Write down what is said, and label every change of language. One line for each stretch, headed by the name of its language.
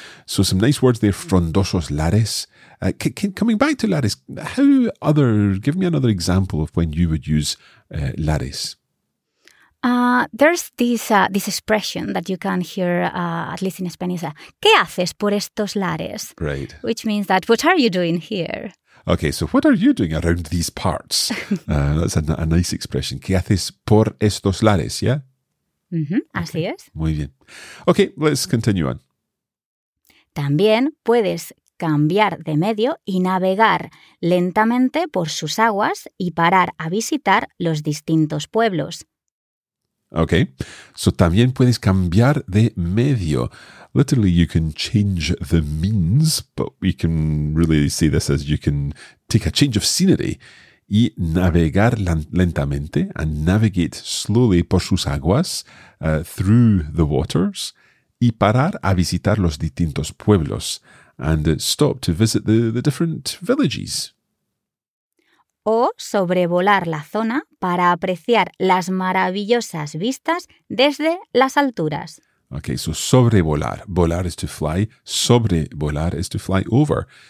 English: So some nice words there,
Spanish: frondosos lares.
English: Coming back to lares, give me another example of when you would use lares. There's this this expression that you can hear, at least in Spanish,
Spanish: ¿qué haces por estos lares?
English: Right. Which means that, what are you doing here? Okay, so what are you doing around these parts? That's a nice expression.
Spanish: ¿Qué haces por estos lares?
English: Yeah?
Spanish: Así es. Muy bien.
English: Okay, let's continue on.
Spanish: También puedes cambiar de medio y navegar lentamente por sus aguas y parar a visitar los distintos pueblos.
English: Okay, so
Spanish: también puedes cambiar de medio.
English: Literally, you can change the means, but we can really see this as you can take a change of scenery
Spanish: y navegar lentamente
English: and navigate slowly
Spanish: por sus aguas,
English: through the waters,
Spanish: y parar a visitar los distintos pueblos
English: and stop to visit the different villages.
Spanish: O sobrevolar la zona para apreciar las maravillosas vistas desde las alturas.
English: Okay, so sobrevolar. Volar is to fly. Sobrevolar is to fly over.